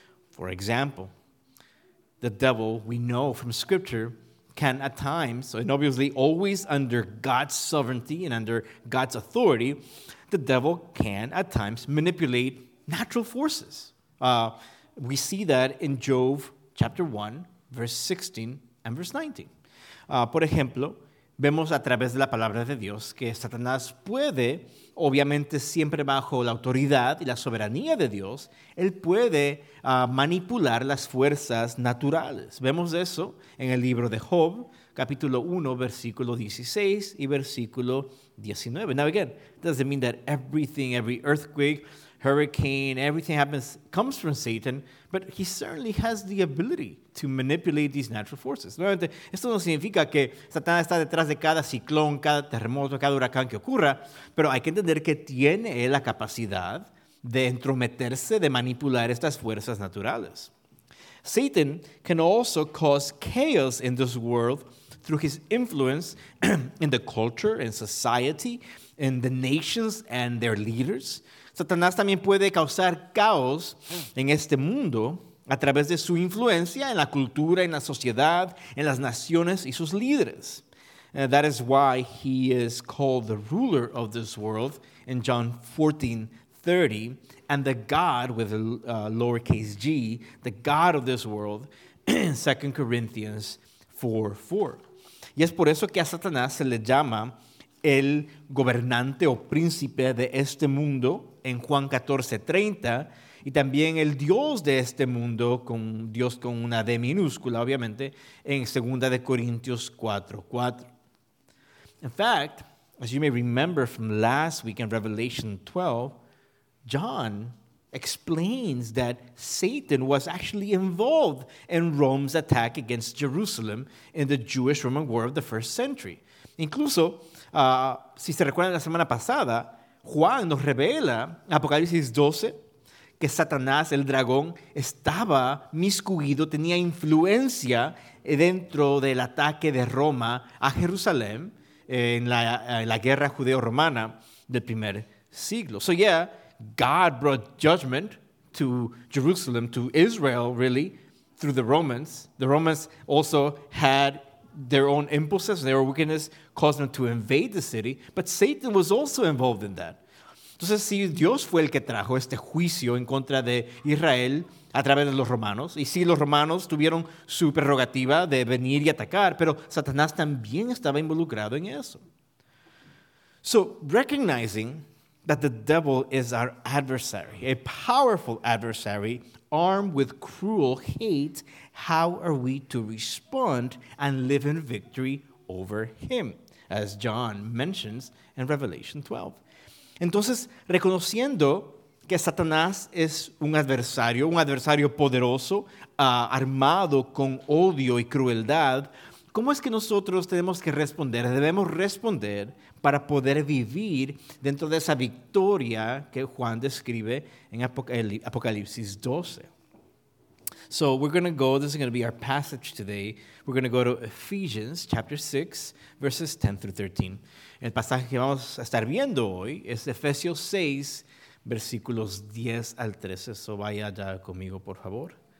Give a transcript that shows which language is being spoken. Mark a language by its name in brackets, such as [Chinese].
[English] For example, the devil, we know from scripture, can at times, and obviously always under God's sovereignty and under God's authority, the devil can at times manipulate natural forces. We see that in Job chapter 1, verse 16 and verse 19. [Spanish] Por ejemplo, vemos a través de la palabra de Dios que Satanás puede, obviamente siempre bajo la autoridad y la soberanía de Dios, él puede manipular las fuerzas naturales. Vemos eso en el libro de Job, capítulo 1, versículo 16 y versículo 19. [English] Now again, it doesn't mean that everything, every earthquake, hurricane, everything happens, comes from Satan, but he certainly has the ability to manipulate these natural forces. [Spanish] Nuevamente, esto no significa que Satanás está detrás de cada ciclón, cada terremoto, cada huracán que ocurra, pero hay que entender que tiene la capacidad de entrometerse, de manipular estas fuerzas naturales. [English] Satan can also cause chaos in this world through his influence in the culture, in society, in the nations and their leaders. [Spanish] Satanás también puede causar caos en este mundo a través de su influencia en la cultura, en la sociedad, en las naciones y sus líderes. [English] That is why he is called the ruler of this world in John 14:30, and the God with a lowercase g, the God of this world, in 2 Corinthians 4:4. [Spanish] Y es por eso que a Satanás se le llama el gobernante o príncipe de este mundo en Juan 14:30, y también el Dios de este mundo, con Dios con una D minúscula, obviamente, en 2 Corintios 4:4. [English] In fact, as you may remember from last week in Revelation 12, John explains that Satan was actually involved in Rome's attack against Jerusalem in the Jewish Roman War of the first century. [Spanish] Incluso, si se recuerdan la semana pasada, Juan nos revela, Apocalipsis 12, que Satanás, el dragón, estaba miscuido, tenía influencia dentro del ataque de Roma a Jerusalén en la guerra judeo-romana del primer siglo. [English] So yeah, God brought judgment to Jerusalem, to Israel, really, through the Romans. The Romans also had their own impulses, their wickedness, caused them to invade the city. But Satan was also involved in that. [Spanish] Entonces, si Dios fue el que trajo este juicio en contra de Israel a través de los romanos, y si los romanos tuvieron su prerrogativa de venir y atacar, pero Satanás también estaba involucrado en eso. [English] So, recognizing that the devil is our adversary, a powerful adversary armed with cruel hate, how are we to respond and live in victory over him, as John mentions in Revelation 12. [Spanish] Entonces, reconociendo que Satanás es un adversario poderoso, armado con odio y crueldad, ¿cómo es que nosotros tenemos que responder? Debemos responder para poder vivir dentro de esa victoria que Juan describe en Apocalipsis 12. [English] So we're going to go, this is going to be our passage today. We're going to go to Ephesians chapter 6, verses 10 through 13. [Spanish] El pasaje que vamos a estar viendo hoy es Efesios 6, versículos 10 al 13. So vaya ya conmigo, por favor.